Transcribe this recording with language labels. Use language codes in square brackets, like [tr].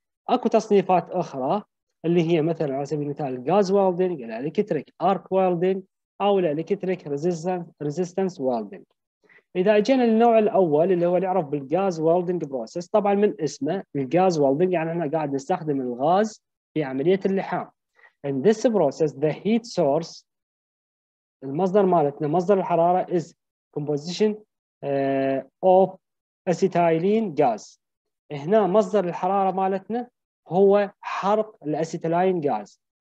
[ar] اكو تصنيفات اخرى اللي هي مثلا على سبيل المثال الجاز ويلدنج، الالكتريك ارك ويلدنج، او الالكتريك ريزيستنس ويلدنج. إذا جينا للنوع الأول اللي هو اللي يعرف بالغاز ويلدنج بروسيس، طبعا من اسمه الغاز ويلدنج يعني احنا قاعد نستخدم الغاز في عملية اللحام. [en] In this process the heat source [ar] المصدر مالتنا مصدر الحرارة [en] is composition of acetylene gas. [ar] هنا مصدر الحرارة مالتنا هو حرق الأسيتيلين غاز.